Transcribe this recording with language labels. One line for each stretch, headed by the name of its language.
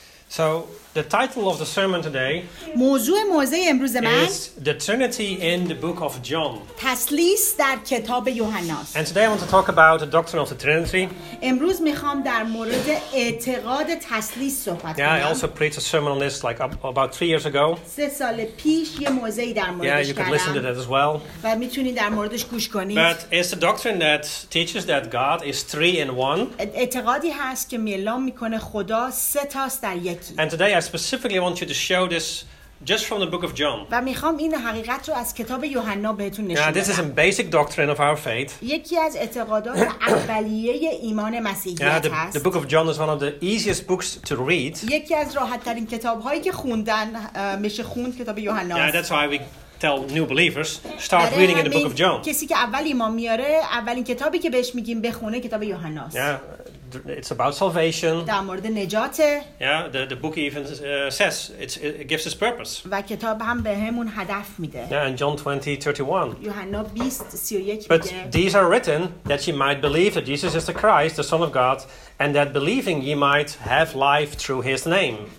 English: So the title of the sermon today is The Trinity in the Book of John.
Persian: تثلیث در کتاب یوحنا.
English: And today I want to talk about the doctrine of the Trinity.
Persian: امروز میخوام در مورد اعتقاد تثلیث صحبت کنم.
English: Yeah, I also preached a sermon on this like about 3 years ago.
Persian: سه سال پیش یه موضعی در موردش کردم.
English: Yeah, you could listen to that as well.
Persian: و میتونید در موردش گوش کنید.
English: But it's a doctrine that teaches that God is three in one.
Persian: اعتقادی هست که اعلام میکنه خدا سه تا است در یک.
English: And today I specifically want you to show this just from the book of John.
Persian: و میخوام این حقیقت رو از کتاب یوحنا بهتون نشون بدم.
English: Yeah, this is a basic doctrine of our faith.
Persian: یکی از اعتقادات اولیه ایمان مسیحیت هست.
English: Yeah, the book of John is one of the easiest books to read.
Persian: یکی از راحت ترین کتاب هایی که خوندن میشه خوند کتاب یوحنا.
English: Yeah, that's why we tell new believers start reading in the book of John.
Persian: کسی که اول ایمان میاره اولین کتابی که بهش میگیم بخونه کتاب یوحنا است.
English: It's about salvation.
Persian: در مورد نجاته.
English: Yeah, the book even says it gives its purpose.
Persian: و کتاب هم بهمون هدف میده.
English: Yeah, and John 20:31.
Persian: یوحنا 20:31.
English: But these are written that ye might believe that Jesus is the Christ, the Son of God, and that believing ye might have life through His name.